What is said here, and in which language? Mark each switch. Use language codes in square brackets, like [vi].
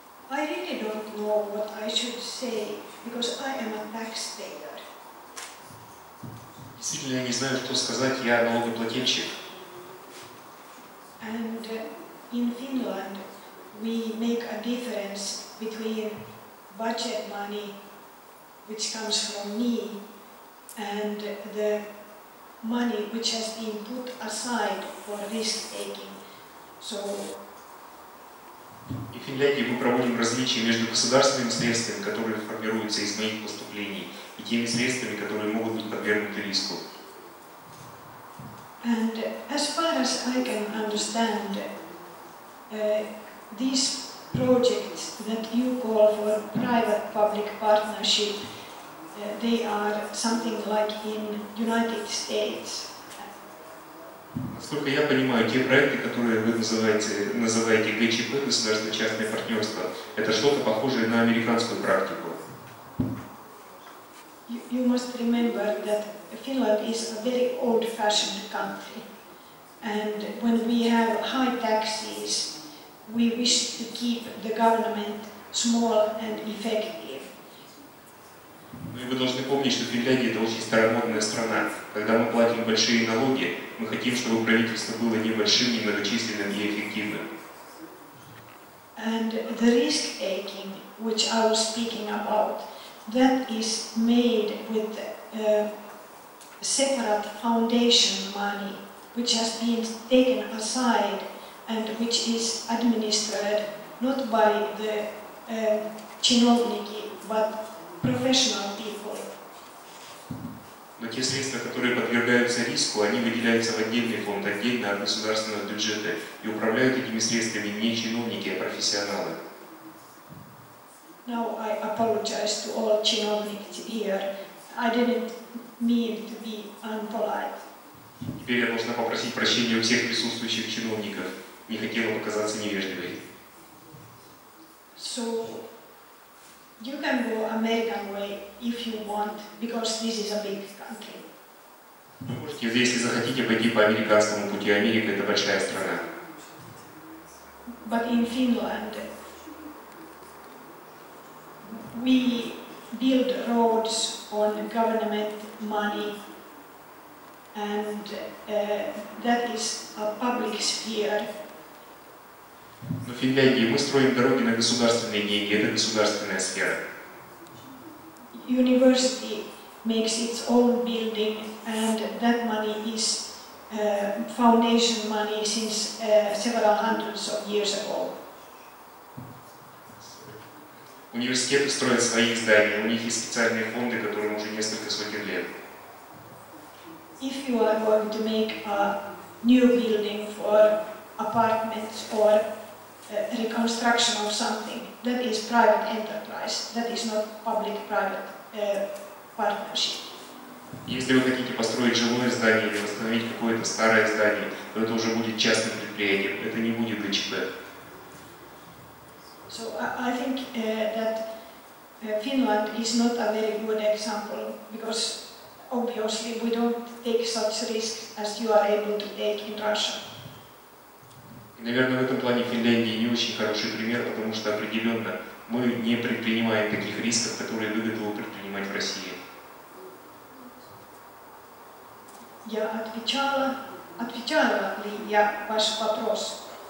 [en] I really don't know what I should say because I am a taxpayer. [ru] Действительно, я не знаю, что сказать, я налогоплательщик. [en] And in Finland we make a difference between budget money, which comes from me, and the money which has been put aside for risk taking. So [ru] и в Финляндии мы проводим различия между государственными средствами, которые формируются из моих поступлений, и теми средствами, которые могут быть подвергнуты риску. [en] And as far as I can understand, these projects that you call for private-public partnership, they are something like in United States. [ru] Насколько я понимаю, те проекты, которые вы называете ГЧП, государственно-частное партнерство, это что-то похожее на американскую практику. [en] You must remember that Finland is a very old-fashioned country. And when we have high taxes, we wish to keep the government small and effective. [ru] Ну и вы должны помнить, что Финляндия — это очень старомодная страна. Когда мы платим большие налоги, мы хотим, чтобы правительство было небольшим, немногочисленным и эффективным. [en] And the risk taking, which I was speaking about, that is made with separate foundation money, which has been taken aside and which is administered not by the чиновники, but professional people. [ru] Но те средства, которые подвергаются риску, они выделяются в отдельный фонд, отдельно от государственного бюджета, и управляют этими средствами не чиновники, а профессионалы. [en] Now I apologize to all чиновники here. I didn't mean to be unpolite. [ru] Теперь я должна попросить прощения у всех присутствующих чиновников. Не хотела показаться невежливой. [en] So you can go American way if you want, because this is a big country. [ru] Вы можете, если захотите, пойти по американскому пути. Америка — это большая страна. [en] But in Finland we build roads on government money, and that is a public sphere. [ru] Но в Финляндии мы строим дороги на государственные деньги, это государственная сфера. [en] University makes its own building, and that money is foundation money since several hundreds of years ago. [ru] Университеты строят свои здания, у них есть специальные фонды, которым уже несколько сотен лет. [en] If you are going to make a new building for apartments or reconstruction of something, that is private enterprise, that is not public-private partnership. [ru] Если вы хотите построить жилое здание или восстановить какое-то старое здание, то это уже будет частным предприятием, это не будет ДЧП. [en] So I think that Finland is not a very good example because obviously we don't take such risks as you are able to take in Russia. [ru] И, наверное, в этом плане Финляндия не очень хороший пример, потому что определенно мы не предпринимаем таких рисков, которые вы готовы предпринимать в России. Я отвечала ли я ваш вопрос?